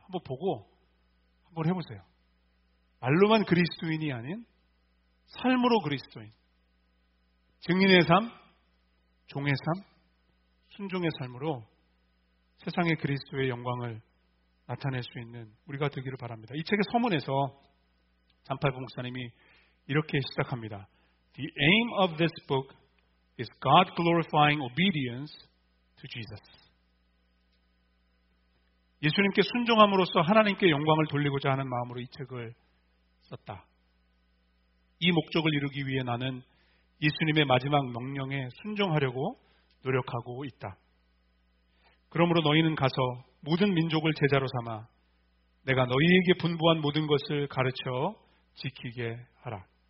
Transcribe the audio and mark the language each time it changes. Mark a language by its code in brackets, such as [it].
[ko] 한번 보고 한번 해보세요. 말로만 그리스도인이 아닌 삶으로 그리스도인. 증인의 삶, 종의 삶, 순종의 삶으로 세상의 그리스도의 영광을 나타낼 수 있는 우리가 되기를 바랍니다. 이 책의 서문에서 잔팔부 목사님이 이렇게 시작합니다. [en] The aim of this book is God glorifying obedience to Jesus. [ko] 예수님께 순종함으로써 하나님께 영광을 돌리고자 하는 마음으로 이 책을 썼다. 이 목적을 이루기 위해 나는 예수님의 마지막 명령에 순종하려고 노력하고 있다. 그러므로 너희는 가서 모든 민족을 제자로 삼아 내가 너희에게 분부한 모든 것을 가르쳐 지키게 하라.